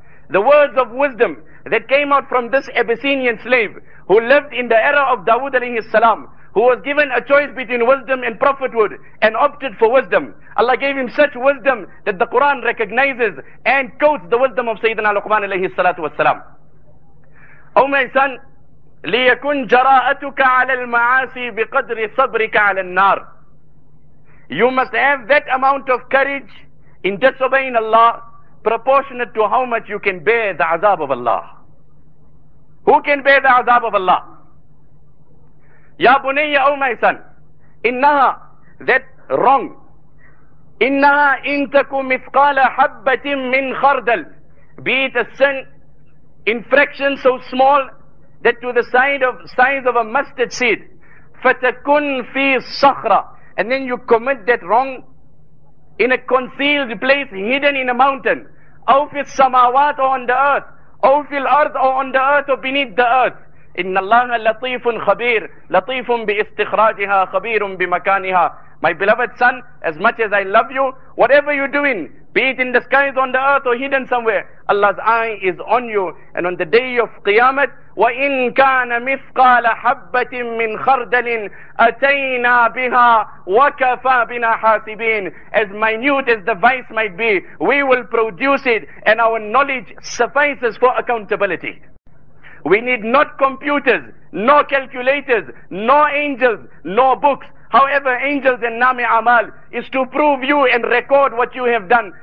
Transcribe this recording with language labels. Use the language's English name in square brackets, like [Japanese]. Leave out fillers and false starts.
[English] The words of wisdom that came out from this Abyssinian slave who lived in the era of Dawood alayhi salam, who was given a choice between wisdom and prophethood and opted for wisdom. Allah gave him such wisdom that the Quran recognizes and quotes the wisdom of Sayyidina Luqman alayhi salatu wasalam. O my son, [Arabic] لِيَكُنْ جَرَاءَتُكَ عَلَى الْمَعَاسِي بِقَدْرِ صَبْرِكَ عَلَى النَّارِ. [English] You must have that amount of courage in disobeying Allah proportionate to how much you can bear the azab of Allah. Who can bear the azab of Allah? Ya bunayya, oh my son, innaha, that wrong, innaha in taku mithqala habbatin min khardal, be it a sin, infraction so small that to the size of a mustard seed, fatakun fi sakhra, and then you commit that wrong in a concealed place, hidden in a mountain, aw fi samawat, or on the earth, aw fi al-ard, or on the earth, or beneath the earth. [Arabic] إِنَّ اللَّهَ لَطِيفٌ خَبِيرٌ لَطِيفٌ بِإِسْتِخْرَاجِهَا خَبِيرٌ بِمَكَانِهَا. [English] My beloved son, as much as I love you, whatever you're doing, be it in the skies, on the earth, or hidden somewhere, Allah's eye is on you. And on the day of Qiyamah, [Arabic] وَإِنْ كَانَ مِثْقَالَ حَبَّةٍ مِّنْ خَرْدَلٍ أَتَيْنَا بِهَا وَكَفَى بِنَا حَاسِبِينَ. [English] As minute as the vice might be, we will produce it, and our knowledge suffices for accountability. We need not computers, nor calculators, nor angels, nor books. However, angels and Nami Amal is to prove you and record what you have done.